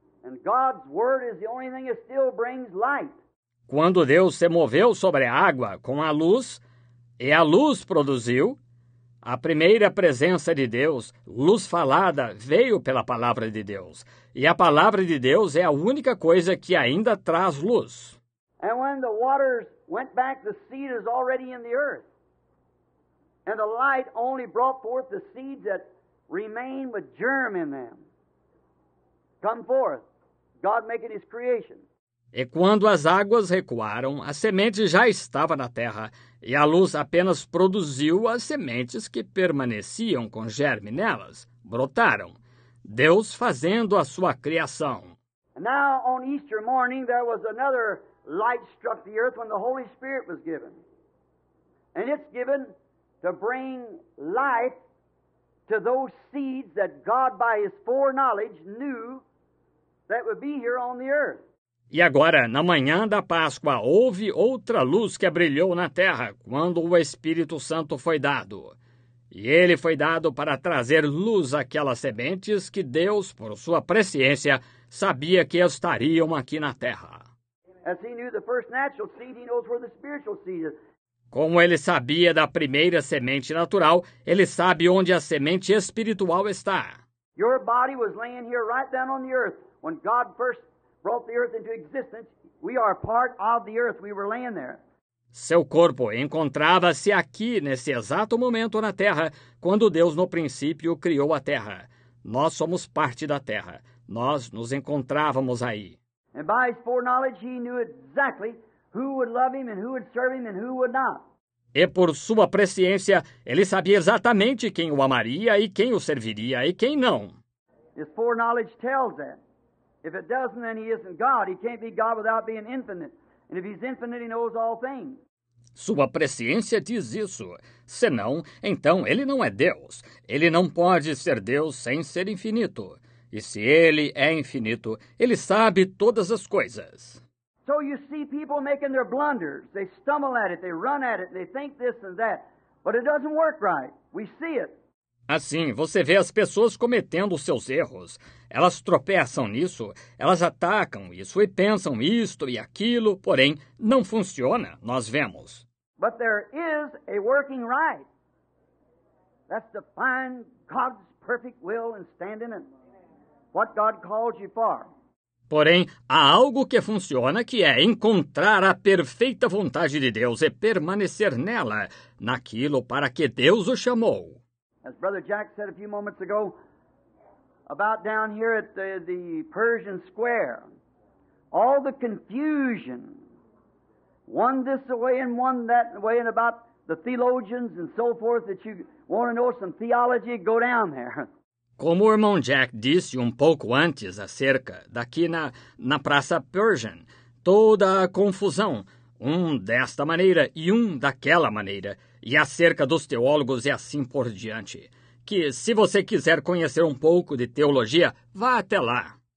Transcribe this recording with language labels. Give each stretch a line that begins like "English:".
English: And God's word is the only thing that still brings light.
Portuguese: Quando Deus se moveu sobre a água com a luz, e a luz produziu, a primeira presença de Deus, luz falada, veio pela palavra de Deus. E a palavra de Deus é a única coisa que ainda traz luz.
English: And when the waters went back, the seed is already in the earth. And the light only brought forth the seeds that remain with germ in them. Come forth, God making his creation.
Portuguese: E quando as águas recuaram, a semente já estava na terra, e a luz apenas produziu as sementes que permaneciam com germe nelas, brotaram. Deus fazendo a sua criação.
English: And now, on Easter morning, there was another light struck the earth when the Holy Spirit was given. And it's given to bring life to those seeds that God, by his foreknowledge, knew that would be here on the earth.
Portuguese: E agora, na manhã da Páscoa, houve outra luz que brilhou na terra quando o Espírito Santo foi dado. E ele foi dado para trazer luz àquelas sementes que Deus, por sua presciência, sabia que estariam aqui na terra.
English: As he knew the first natural seed, he knows where the spiritual seed is.
Portuguese: Como ele sabia da primeira semente natural, ele sabe onde a semente espiritual está.
English: Your body was laying here right down on the earth when God first brought the earth into existence. We are part of the earth. We were laying there.
Portuguese: Seu corpo encontrava-se aqui nesse exato momento na terra quando Deus no princípio criou a terra. Nós somos parte da terra. Nós nos encontrávamos aí.
English: And by his foreknowledge, he knew exactly who would love him and who would serve him and who would not.
Portuguese: E por sua presciência, ele sabia exatamente quem o amaria e quem o serviria e quem não.
English: His foreknowledge tells that. If it doesn't, then he isn't God. He can't be God without being infinite. And if he's infinite, he knows all things.
Portuguese: Sua presciência diz isso. Senão, então ele não é Deus. Ele não pode ser Deus sem ser infinito. E se ele é infinito, ele sabe todas as coisas.
English: So you see people making their blunders. They stumble at it, they run at it, they think this and that. But it doesn't work right. We see it.
Portuguese: Assim, você vê as pessoas cometendo seus erros. Elas tropeçam nisso, elas atacam isso e pensam isto e aquilo, porém, não funciona, nós vemos.
English: But there is a working right. That's to find God's perfect will and stand in it. What God called you for.
Portuguese: Porém, há algo que funciona, que é encontrar a perfeita vontade de Deus e permanecer nela, naquilo para que Deus o chamou.
English: As Brother Jack said a few moments ago, about down here at the Pershing Square, all the confusion, one this way and one that way, and about the theologians and so forth, that you want to know some theology, go down there.
Portuguese: Como o irmão Jack disse um pouco antes acerca daqui na Praça Pershing, toda a confusão, um desta maneira e um daquela maneira, e acerca dos teólogos e assim por diante, que se você quiser conhecer um pouco de teologia, vá até lá.